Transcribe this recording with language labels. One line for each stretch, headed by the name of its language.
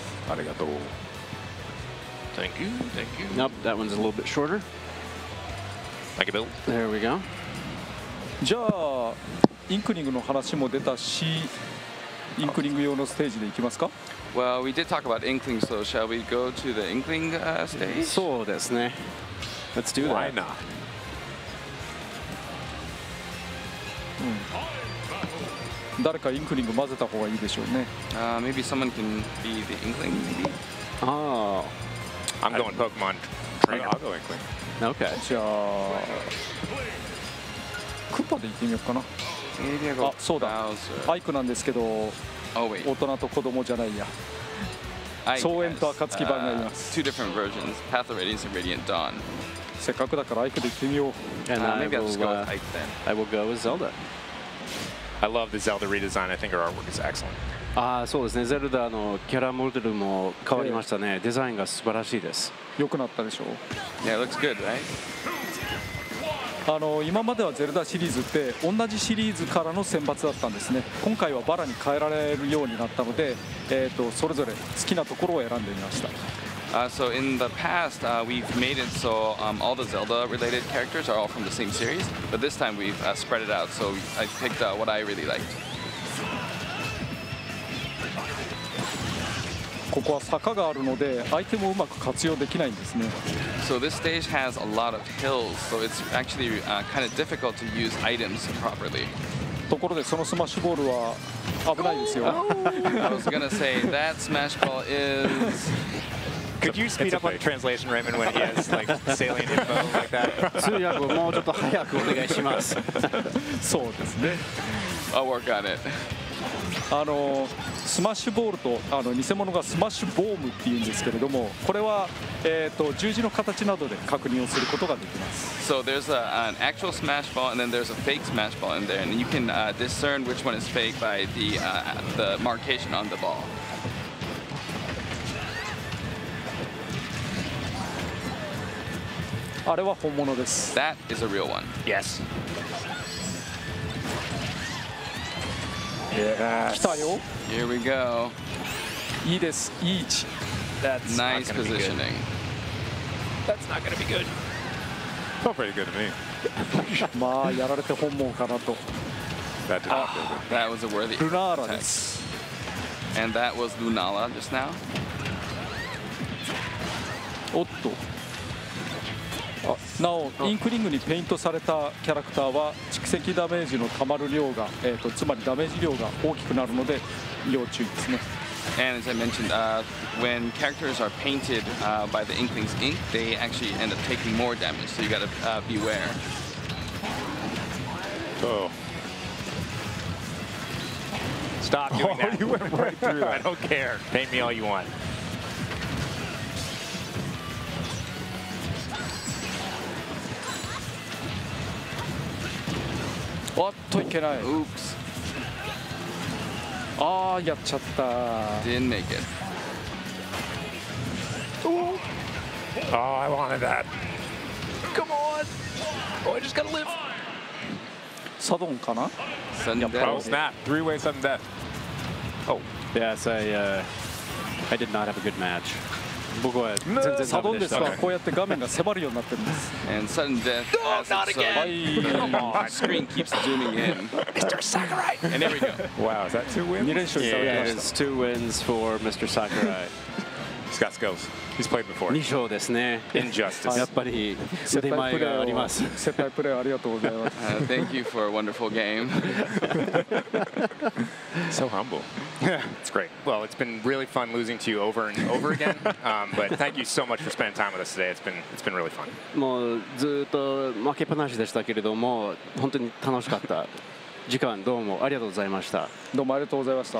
Japanese: ありがとう。
English: Thank you, thank you. Nope, that one's a little bit shorter. Thank you, Bill. There we go.
Japanese: じゃあ、インクリングの話も出たし、インクリング用のステージで行きますか。
English: Well, we did talk about Inkling, so shall we go to the Inkling stage?
Japanese: そうですね。
English: Let's do that. Why not?
Japanese: 誰かインクリング混ぜた方がいいでしょうね。
English: Maybe someone can be the Inkling, maybe? Oh. I'm going Pokemon. I'll go Inkling. Okay.
Japanese: じゃあ、クッパで行ってみようかな。あ、そうだ。アイクなんですけど、
English: oh, wait.
Japanese: 大人と子供じゃないや。総演と暁版になります。
English: Two different versions. Path of Radiance and Radiant Dawn.
Japanese: せっかくだからアイクで行ってみよう。
English: And maybe I'll just go with Ike then. I will go with Zelda. I love the Zelda redesign. I think her artwork is excellent.
Japanese: Ah, そうですね。ゼルダのキャラモデルも変わりましたね。デザインが素晴らしいです。良くなったでしょう。 Yeah, it looks good, right? あの、今まではゼルダシリーズって同じシリーズからの選抜だったんですね。今回はバラに変えられるようになったので、それぞれ好きなところを選んでみました。
English: So in the past, we've made it so all the Zelda-related characters are all from the same series. But this time, we've spread it out. So I picked what I really liked.
Japanese: ここは坂があるので、アイテムをうまく活用できないんですね。
English: So this stage has a lot of hills, so it's actually kind of difficult to use items properly.
Japanese: ところで、そのスマッシュボールは危ないですよ。
English: I was gonna say that smash ball is. Could you speed up on the translation, Raymond, when he has like salient info like that?
Japanese: 通訳をもうちょっと早くお願いします。そうですね。
English: I'll work on it.
Japanese: あのスマッシュボールとあの偽物がスマッシュボームっていうんですけれども、これは十字の形などで確認をすることができます。
English: So there's an actual smash ball and then there's a fake smash ball in there, and you can discern which one is fake by the markation on the ball.
Japanese: あれは本物です。
English: That is a real one. Yes.
Japanese: 来たよ。
English: Here we go.
Japanese: いいです。いい位置。
English: That's nice positioning. That's not gonna be good. Not pretty good to me.
Japanese: まあやられて本望かなと。
English: That did not feel good. That was a worthy.
Japanese: Lunala です。
English: And that was Lunala just now.
Japanese: おっと。なお、インクリングにペイントされたキャラクターは蓄積ダメージのたまる量が、つまりダメージ量が大きくなるので要注意ですね。
English: And as I mentioned, when characters are painted by the Inkling's ink, they actually end up taking more damage, so you gotta beware. Oh. Stop doing that. You went right through that. I don't care. Paint me all you want.
Japanese: おっといけない。
English: Oops.
Japanese: ああやっちゃった。
English: Didn't make it. Oh. Oh, I wanted that. Come on. Oh, I just gotta live.
Japanese: サドンかな？サドンデッド。
English: Oh snap! Three-way sudden death. Oh. Yes, I did not have a good match.
Japanese: 僕は全然ダメでした。こうやって画面が迫るようになってるんです。
English: And sudden death. No, not again! Come on. My screen keeps zooming in. Mr. Sakurai! And there we go. Wow, is that two wins?
Japanese: 2 連勝した。
English: Yeah, it's two wins for Mr. Sakurai. He's got skills. He's played before.
Japanese: 2勝ですね。
English: Injustice.
Japanese: やっぱり腕前があります。接待プレーありがとうございます。
English: Thank you for a wonderful game. So humble. Yeah, it's great. Well, it's been really fun losing to you over and over again. But thank you so much for spending time with us today. It's been really fun.
Japanese: もうずっと負けっぱなしでしたけれども、本当に楽しかった。時間どうもありがとうございました。どうもありがとうございました。